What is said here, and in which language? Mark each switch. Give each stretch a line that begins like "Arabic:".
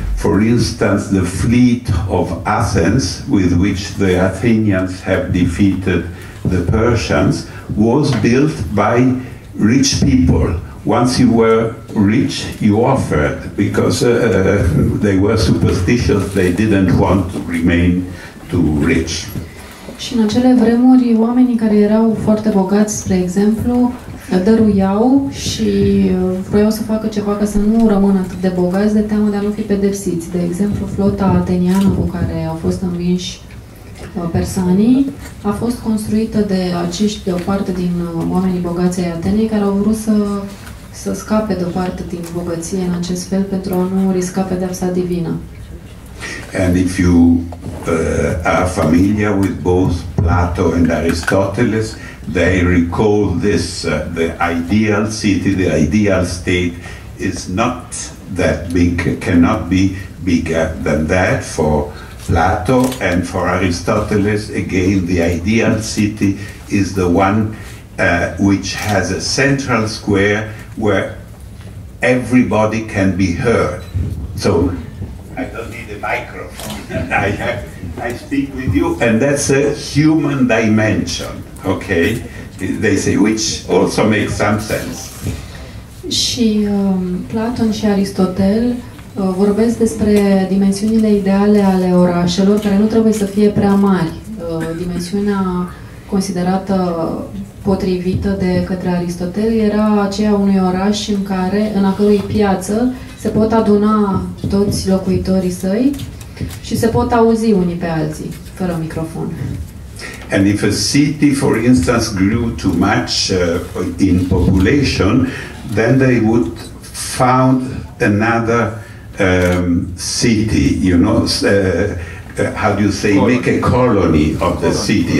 English: For instance, the fleet of Athens, with which the Athenians have defeated the Persians, was built by rich people. Once you were rich, you offered, because they were superstitious, they didn't want to remain too rich.
Romanian: Și în acele vremuri, oamenii care erau foarte bogați, spre exemplu, dăruiau și vroiau să facă ceva ca să nu rămână atât de bogați, de teamă de a nu fi pedepsiți. De exemplu, flota ateniană cu care au fost învinși Persani a fost construită de aceștia, de o parte din oamenii bogați ai Atenei, care au vrut să scape de o parte din bogăție în acest fel pentru a nu risca pedeapsa divină.
English: And if you are familiar with both Plato and Aristoteles, they recall this, the ideal city, the ideal state is not that big, cannot be bigger than that for Plato and for Aristoteles. Again, the ideal city is the one which has a central square where everybody can be heard. So, I don't need a microphone, I speak with you, and that's a human dimension, okay? They say, which also makes some sense.
Romanian: Și Platon și Aristotel vorbesc despre dimensiunile ideale ale orașelor, care nu trebuie să fie prea mari. Dimensiunea considerată potrivită de către Aristotel era aceea unui oraș în care, în a cărui piață, se pot aduna toți locuitorii săi și se pot auzi unii pe alții, fără microfon.
English: And if a city, for instance, grew too much in population, then they would found another city, you know, how do you say, make a colony of the city.